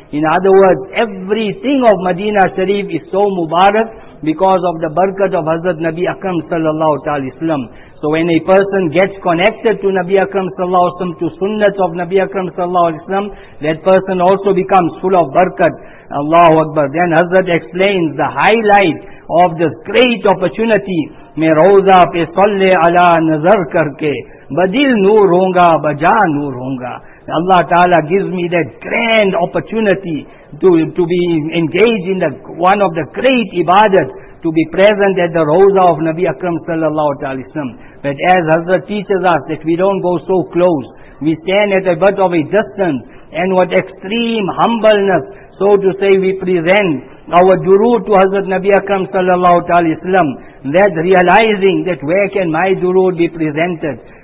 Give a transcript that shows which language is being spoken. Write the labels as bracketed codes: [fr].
[en] In other words, everything of Medina Sharif is so Mubarak because of the barakat of Hazrat Nabi Akram sallallahu alaihi wasallam. So when a person gets connected to Nabi Akram sallallahu alaihi wasallam, to sunnat of Nabi Akram sallallahu alaihi wasallam, that person also becomes full of barakat. Allahu Akbar. Then Hazrat explains the highlight of this great opportunity. [ur] میں روزہ پہ صلی علی نظر کر کے بدل نور ہوں گا بجا نور ہوں گا. [en] Allah Ta'ala gives me that grand opportunity to be engaged in the one of the great ibadat, to be present at the Rauza of Nabi Akram sallallahu alaihi wasallam. But as Hazrat teaches us that we don't go so close, we stand at a bit of a distance, and what extreme humbleness, so to say, we present our durood to Hazrat Nabi Akram sallallahu alaihi wasallam, that realizing that where can my durood be presented?